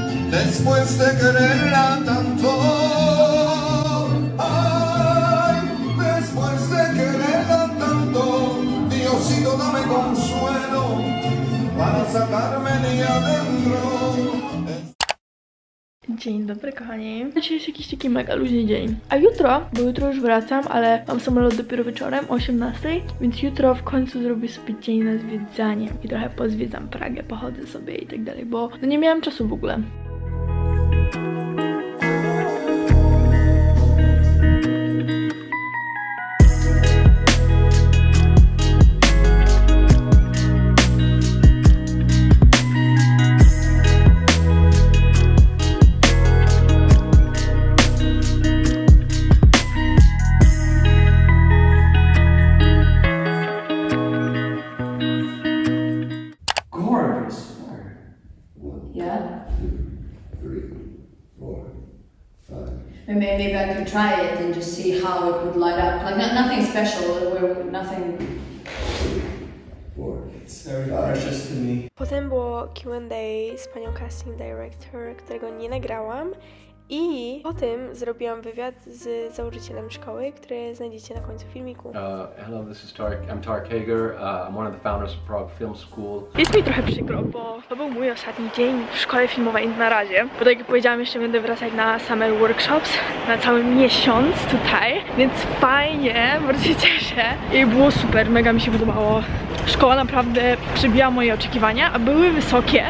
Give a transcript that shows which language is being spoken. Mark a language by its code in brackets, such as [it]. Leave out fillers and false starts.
[es] Después de quererla tanto, ay, después de quererla tanto, Diosito dame consuelo para sacarme de adentro. [pl] Dzień dobry, kochani. Dzisiaj jest jakiś taki mega luźny dzień. A jutro, bo jutro już wracam, ale mam samolot dopiero wieczorem, o 18:00, więc jutro w końcu zrobię sobie dzień na zwiedzanie i trochę pozwiedzam Pragę, pochodzę sobie i tak dalej, bo no nie miałam czasu w ogóle. [en] maybe I could try it and just see how it would light up. Like, nothing special, nothing. [pl] Potem było Q&A z panią casting director, którego nie nagrałam, i potem zrobiłam wywiad z założycielem szkoły, który znajdziecie na końcu filmiku. [en] Hello, this is Tarek. I'm Tarek Hager. I'm one of the founders of Prague Film School. [pl] Jest mi trochę przykro, bo to był mój ostatni dzień w szkole filmowej na razie. Bo tak jak powiedziałam, jeszcze będę wracać na [en] summer workshops [pl] na cały miesiąc tutaj. Więc fajnie, bardzo się cieszę. I było super, mega mi się podobało. Szkoła naprawdę przebiła moje oczekiwania, a były wysokie.